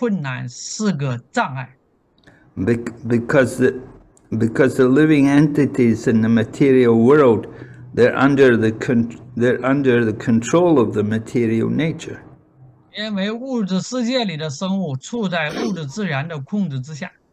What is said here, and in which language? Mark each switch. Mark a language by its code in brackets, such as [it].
[zh] 物质世界对普通的生物而言确实是个困难，是个障碍。 [en] Because the living entities in the material world, they're under the control of the material nature. [zh] 因为物质世界里的生物处在物质自然的控制之下。